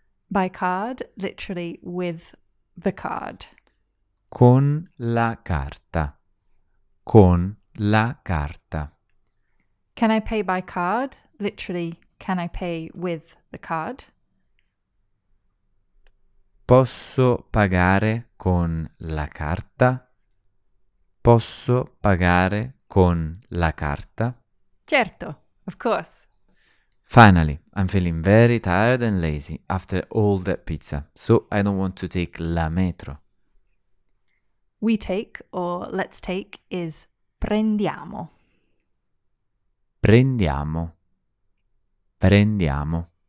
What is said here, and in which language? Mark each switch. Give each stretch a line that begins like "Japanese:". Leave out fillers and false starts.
English: By card, literally with the card.
Italian: Con la carta. Con la carta.
English: Can I pay by card? Literally, can I pay with the card?
Italian: Posso pagare con la carta? Posso pagare con la carta?
English: Certo, of course. Finally, I'm feeling very tired and lazy after all that pizza, so I don't want to take la metro. We take, or let's take, is prendiamo.
Italian: Prendiamo. Prendiamo.